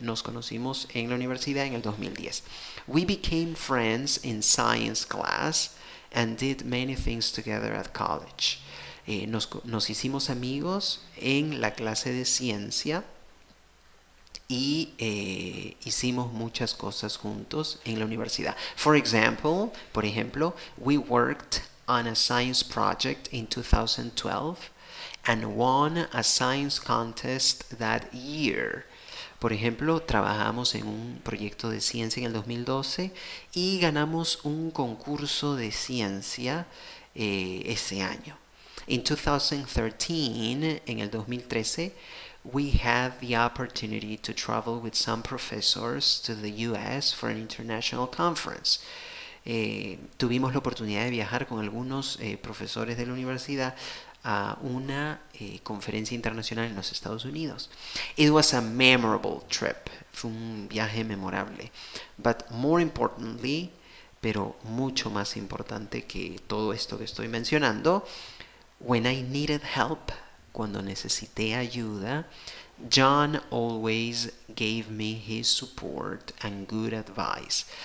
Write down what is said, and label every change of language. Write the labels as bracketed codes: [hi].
[es] Nos conocimos en la universidad en el 2010. [en] We became friends in science class and did many things together at college. [es] Nos hicimos amigos en la clase de ciencia y hicimos muchas cosas juntos en la universidad. [en] For example, [es] por ejemplo, [en] we worked on a science project in 2012 and won a science contest that year. [es] Por ejemplo, trabajamos en un proyecto de ciencia en el 2012 y ganamos un concurso de ciencia ese año. [en] In 2013, [es] en el 2013, [en] we had the opportunity to travel with some professors to the US for an international conference. [es] Tuvimos la oportunidad de viajar con algunos profesores de la universidad a una conferencia internacional en los Estados Unidos. [en] It was a memorable trip. [es] Fue un viaje memorable. [en] But more importantly, [es] pero mucho más importante que todo esto que estoy mencionando, [en] when I needed help, [es] cuando necesité ayuda, [en] John always gave me his support and good advice.